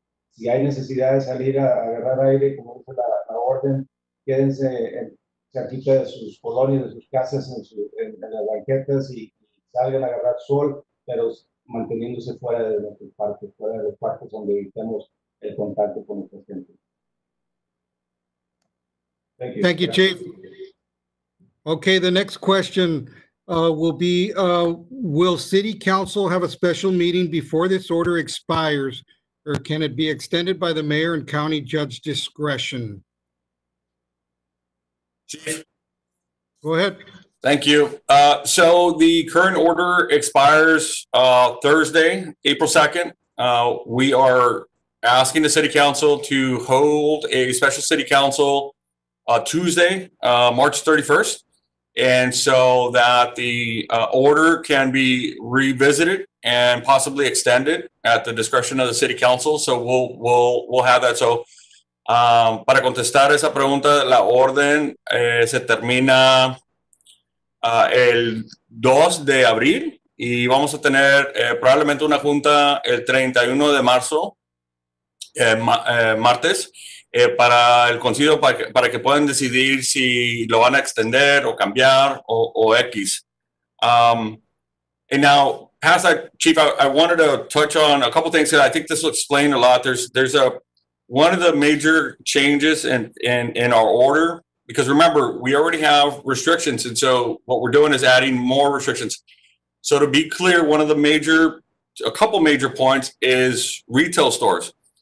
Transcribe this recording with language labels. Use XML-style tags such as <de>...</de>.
<es>Si hay necesidad de salir a agarrar aire, como dice la orden, quédense cerquita de sus colonias, de sus casas, en las banquetas y salgan a agarrar sol, pero manteniéndose fuera de nuestros parques, fuera de los parques donde evitemos el contacto con nuestra gente.</es> <en>Thank you, Chief. Okay, the next question will be, will City Council have a special meeting before this order expires, or can it be extended by the mayor and county judge discretion? Chief. Go ahead. Thank you. So the current order expires Thursday, April 2nd. We are asking the City Council to hold a special City Council Tuesday, March 31st. And so that the order can be revisited and possibly extended at the discretion of the City Council. So we'll have that.</en> <es>So para contestar esa pregunta, la orden se termina el 2 de abril y vamos a tener probablemente una junta el 31 de marzo, martes. Para el concilio, para que puedan decidir si lo van a extender o cambiar o X.</es> <en>And now, past that, Chief, I wanted to touch on a couple things that I think this will explain a lot. There's a one of the major changes in our order, because remember, we already have restrictions. And so what we're doing is adding more restrictions. So to be clear, a couple major points is retail stores.</en>